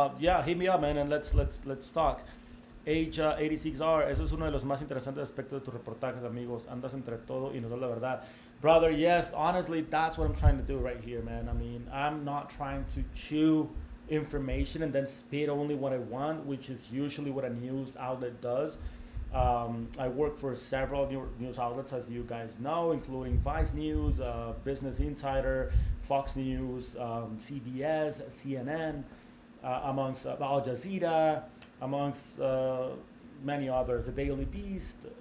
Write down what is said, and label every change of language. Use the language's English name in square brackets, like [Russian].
[English] Yeah, hit me up, man, and let's talk. [Spanish] Age 86R, eso es uno de los más interesantes aspectos de tus reportajes, amigos. Andas entre todo y nos da la verdad. [English] Brother, yes, honestly, that's what I'm trying to do right here, man. I mean, I'm not trying to chew information and then spit only what I want, which is usually what a news outlet does. I work for several news outlets, as you guys know, including Vice News, Business Insider, Fox News, CBS, CNN, amongst Al Jazeera, amongst many others, The Daily Beast.